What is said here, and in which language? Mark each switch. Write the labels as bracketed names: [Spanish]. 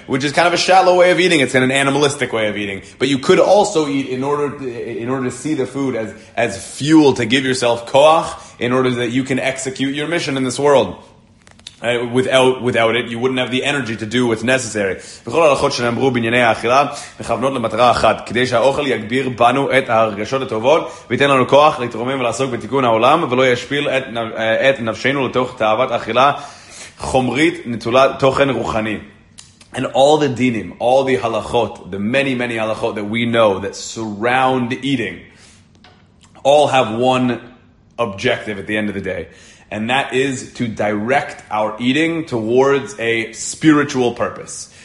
[English] Which is kind of a shallow way of eating. It's an animalistic way of eating. But you could also eat in order to see the food as fuel to give yourself koach, in order that you can execute your mission in this world. Without it, you wouldn't have the energy to do what's necessary. [Hebrew] בכל ההלכות שנאמרו בענייני האכילה, מכוונות למטרה אחת, כדי שהאוכל יגביר בנו את הרגשות הטובות, ויתן לנו כוח להתרומם ולעסוק בתיקון העולם, ולא ישפיל את נפשנו לתוך תאוות אכילה חומרית נטולת תוכן רוחני. [English] And all the dinim, all the halachot, the many, many halachot that we know that surround eating, all have one objective at the end of the day. and that is to direct our eating towards a spiritual purpose.